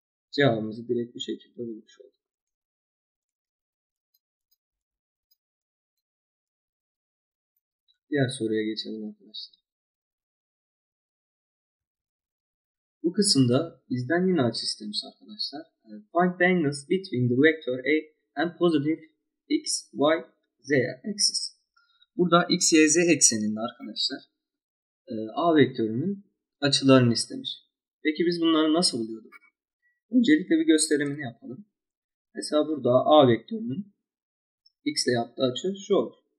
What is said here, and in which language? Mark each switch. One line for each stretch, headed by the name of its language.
Turkish: Cevabımızı direkt bu şekilde bulmuş olduk. Diğer soruya geçelim arkadaşlar. Bu kısımda bizden yine açı istemiş arkadaşlar.
English: Find the angles between the vector A and positive x, y, z axis.
Turkish: Burada x, y, z ekseninde arkadaşlar A vektörünün açılarını istemiş. Peki biz bunları nasıl buluyorduk? Öncelikle bir gösterimini yapalım. Mesela burada A vektörünün x ile yaptığı açı şu olur.